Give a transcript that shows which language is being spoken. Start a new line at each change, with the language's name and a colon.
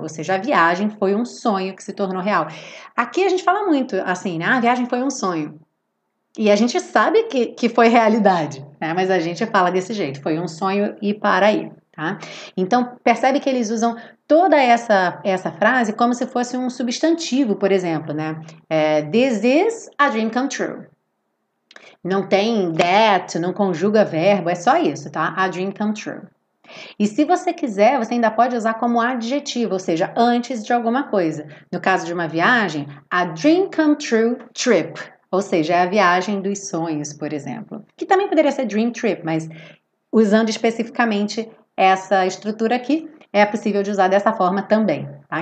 Portuguese: Ou seja, a viagem foi um sonho que se tornou real. Aqui a gente fala muito assim, né? A viagem foi um sonho. E a gente sabe que foi realidade, né? Mas a gente fala desse jeito. Foi um sonho e para aí, tá? Então, percebe que eles usam toda essa frase como se fosse um substantivo, por exemplo, né?
English: This is a dream come true.
Portuguese: Não tem that, não conjuga verbo, é só isso, tá?
English: A dream come true.
Portuguese: E se você quiser, você ainda pode usar como adjetivo, ou seja, antes de alguma coisa. No caso de uma viagem,
English: a dream come true trip.
Portuguese: Ou seja, é a viagem dos sonhos, por exemplo. Que também poderia ser dream trip, mas usando especificamente essa estrutura aqui, é possível de usar dessa forma também, tá?